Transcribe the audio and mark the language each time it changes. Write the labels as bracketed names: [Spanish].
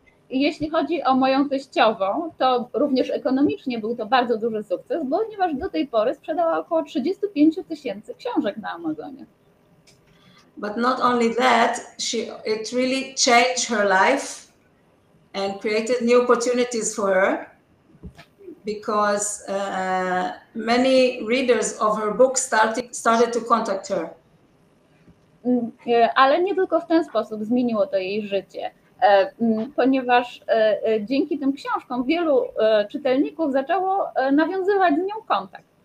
[Polish] Jeśli chodzi o moją teściową, to również ekonomicznie był to bardzo duży sukces, ponieważ do tej pory sprzedała około 35 tysięcy książek na Amazonie. [English] But not only that, it really changed her life and created new opportunities for her, because many readers of her book started to contact her. [Polish] Ale nie tylko w ten sposób zmieniło to jej życie. Ponieważ dzięki tym książkom wielu czytelników zaczęło nawiązywać z nią kontakt.